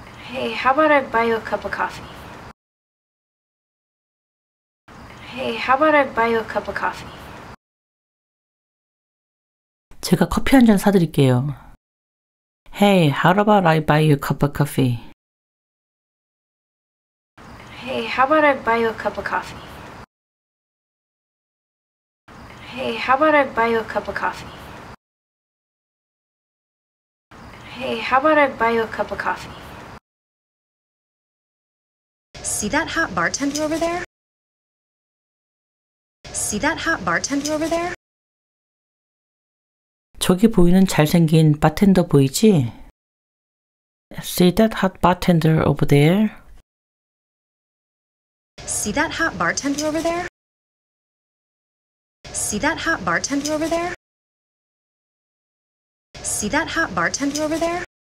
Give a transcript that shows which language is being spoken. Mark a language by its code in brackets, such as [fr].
[en] Hey, how about I buy you a cup of coffee? Hey, how about I buy you a cup of coffee? [ko] 제가 커피 한 잔 사드릴게요. [en] Hey, how about I buy you a cup of coffee? Hey, how about I buy you a cup of coffee? Hey, how about I buy you a cup of coffee? Hey, how about I buy you a cup of coffee? See that hot bartender over there? See that hot bartender over there? [ko] 저기 보이는 잘생긴 바텐더 보이지? [en] See that hot bartender over there? See that hot bartender over there? See that hot bartender over there? See that hot bartender over there?